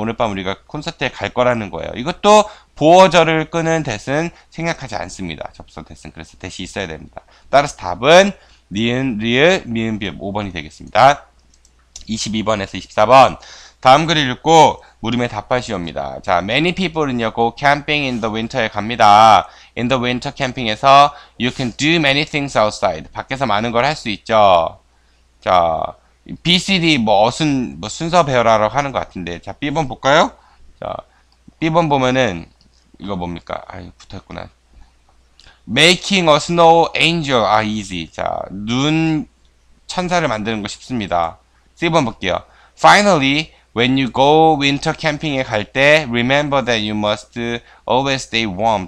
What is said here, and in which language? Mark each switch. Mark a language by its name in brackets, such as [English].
[Korean] 오늘 밤 우리가 콘서트에 갈 거라는 거예요. 이것도 보어절을 끄는 대신 생략하지 않습니다. 접속 대신. 그래서 대시 있어야 됩니다. 따라서 답은 니은, 리을, 미은, 비읍 5번이 되겠습니다. 22번에서 24번. 다음 글 읽고 물음에 답하시옵니다. [English] 자, many people은요, go camping in the winter에 갑니다. in the winter camping에서 you can do many things outside. [Korean] 밖에서 많은 걸할수 있죠. 자, BCD, 뭐 순서 배열하라고 하는 것 같은데. 자, B번 볼까요? 자, B번 보면은, 이거 뭡니까? 아유, 붙었구나. [English] Making a snow angel are easy. [Korean] 자, 눈 천사를 만드는 거 쉽습니다. C번 볼게요. [English] Finally, when you go winter camping에 [Korean] 갈 때, [English] remember that you must always stay warm.